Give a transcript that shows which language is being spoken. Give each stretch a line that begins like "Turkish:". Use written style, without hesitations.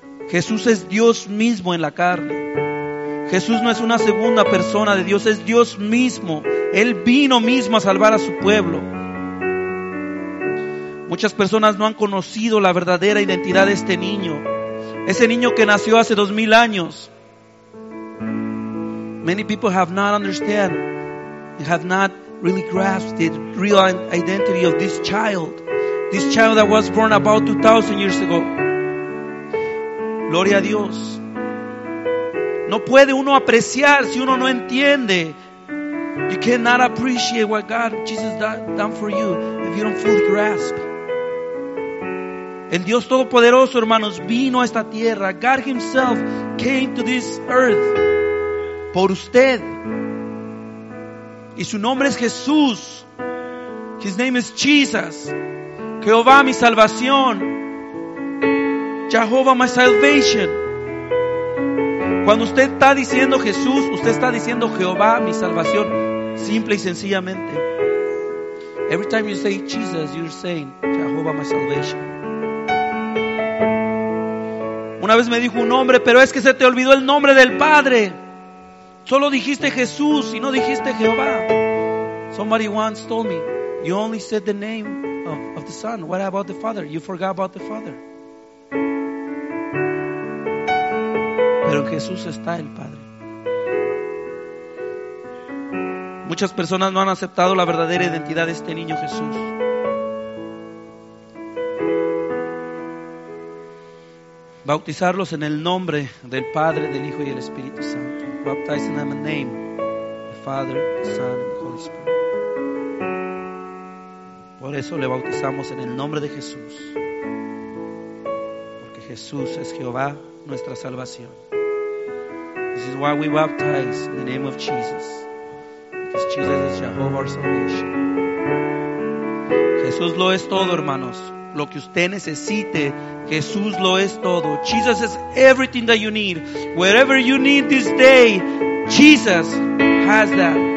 Spanish: Jesús es Dios mismo en la carne. Jesús no es una segunda persona de Dios, es Dios mismo. Él vino mismo a salvar a su pueblo. Muchas personas no han conocido la verdadera identidad de este niño. Ese niño que nació hace 2000 años.
English: Many people have not understand and have not really grasped the real identity of this child. This child that was born about 2,000 years ago.
Spanish: Gloria a Dios. No puede uno apreciar si uno no entiende.
English: You cannot appreciate what God, Jesus done for you if you don't fully grasp.
Spanish: El Dios Todopoderoso, hermanos, vino a esta tierra.
English: God himself came to this earth
Spanish: por usted. Y su nombre es Jesús.
English: His name is Jesus.
Spanish: Jehová mi salvación.
English: Jehovah my salvation.
Spanish: Cuando usted está diciendo Jesús, usted está diciendo Jehová mi salvación, simple y sencillamente.
English: Every time you say Jesus, you're saying Jehovah my salvation.
Spanish: Una vez me dijo un hombre, pero es que se te olvidó el nombre del Padre. Solo dijiste Jesús y no dijiste Jehová.
English: Somebody once told me, you only said the name of the Son. What about the Father? You forgot about the Father.
Spanish: Pero en Jesús está el Padre. Muchas personas no han aceptado la verdadera identidad de este niño Jesús. Bautizarlos en el nombre del Padre, del Hijo y del Espíritu Santo.
English: Baptize them in the name of the Father, the Son, and the Holy Spirit.
Spanish: Por eso le bautizamos en el nombre de Jesús. Porque Jesús es Jehová, nuestra salvación.
English: This is why we baptize in the name of Jesus. Because Jesus is Jehovah, our salvation.
Spanish: Jesús lo es todo, hermanos. Lo que usted necesite, Jesús lo es todo.
English: Jesus is everything that you need. Wherever you need this day, Jesus has that.